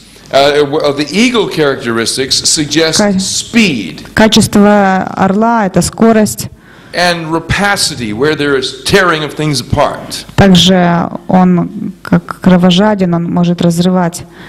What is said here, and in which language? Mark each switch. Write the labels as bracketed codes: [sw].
[en] The eagle characteristics suggest speed. [ru] Качество орла это скорость. [en] And rapacity, where there is tearing of things apart. [ru] Также он как кровожаден, он может разрывать.